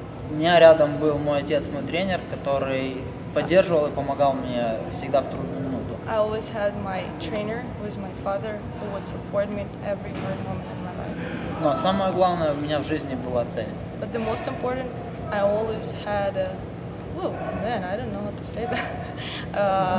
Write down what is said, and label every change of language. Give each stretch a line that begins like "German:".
Russian: У меня рядом был мой отец, мой тренер, который поддерживал и помогал мне всегда в трудную минуту.
English: I always had my trainer, who is my father, who would support me every hard moment in my life.
Russian: Но самое главное, у меня в жизни была цель.
English: But the most important, I always had a... Oh, man, I don't know how to say that.